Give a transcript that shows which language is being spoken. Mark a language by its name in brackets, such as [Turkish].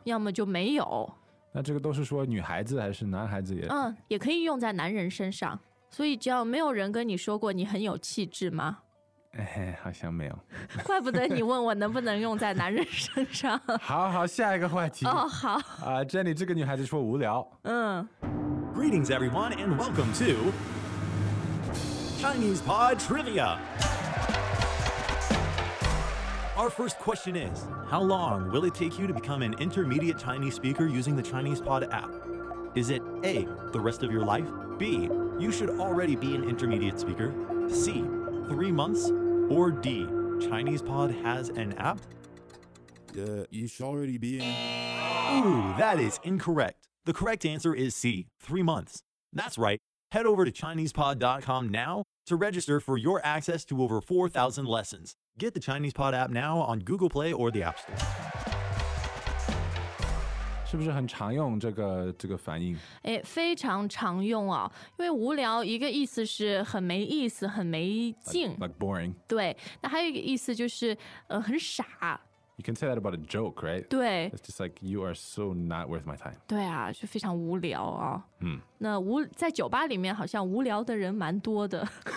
[Chinese] 要么就没有。那这个都是说女孩子还是男孩子也？嗯，也可以用在男人身上。所以只要没有人跟你说过你很有气质吗？哎，好像没有。怪不得你问我能不能用在男人身上。好好，下一个话题。哦，好。 Jenny， 这个女孩子说无聊。嗯。 [English] Greetings, everyone, and welcome to Chinese Pod Trivia. Our first question is, how long will it take you to become an intermediate Chinese speaker using the Chinese Pod app? Is it A, the rest of your life? B, you should already be an intermediate speaker? C, 3 months? Or D, Chinese Pod has an app? You should already be in. Ooh, that is incorrect. The correct answer is C, 3 months. That's right. Head over to ChinesePod.com now to register for your access to over 4,000 lessons. Get the Chinese Pod app now on Google Play or the App Store. [Chinese] 是不是很常用这个反应？哎，非常常用啊。因为无聊，一个意思是很没意思，很没劲。 [English] Like boring. [Chinese] 对，那还有一个意思就是很傻。 [English] You can say that about a joke, right? [Chinese] 对。 [English] It's just like, you are so not worth my time. [Chinese] 对啊，就非常无聊啊。嗯。那在酒吧里面好像无聊的人蛮多的。